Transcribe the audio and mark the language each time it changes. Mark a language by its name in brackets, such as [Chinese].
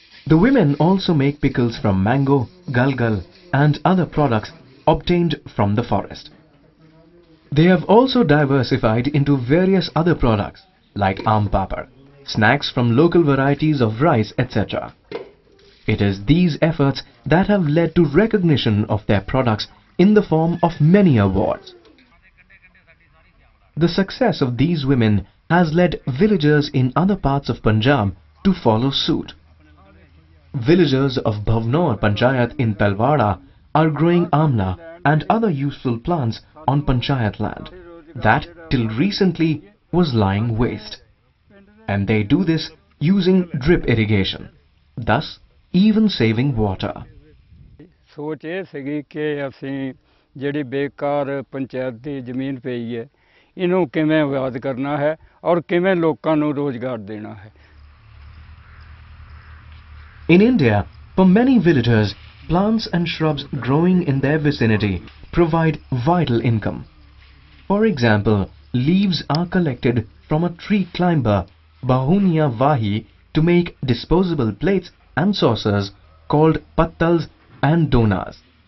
[English] The women also make pickles from mango galgal and other products obtained from the forest they have also diversified into various other products like aam papad snacks from local varieties of rice, etc. It is these efforts that have led to recognition of their products in the form of many awards. The success of these women has led villagers in other parts of Punjab to follow suit. Villagers of Bhavnor Panchayat in Talwara are growing amla and other useful plants on Panchayat land that till recently was lying waste. And they do this using drip irrigation, thus even saving water. [Punjabi] ਸੋਚ ਇਹ ਸੀਗੀ ਕਿ ਅਸੀਂ ਜਿਹੜੀ ਬੇਕਾਰ ਪੰਚਾਇਤ ਦੀ ਜ਼ਮੀਨ ਪਈ ਹੈ ਇਹਨੂੰ ਕਿਵੇਂ ਆਬਾਦ ਕਰਨਾ ਹੈ ਔਰ ਕਿਵੇਂ ਲੋਕਾਂ ਨੂੰ ਰੋਜ਼ਗਾਰ ਦੇਣਾ ਹੈ [English] In India, for many villagers, plants and shrubs growing in their vicinity provide vital income. For example, leaves are collected from a tree climber Bahunia Vahi to make disposable plates and saucers called pattals and donas.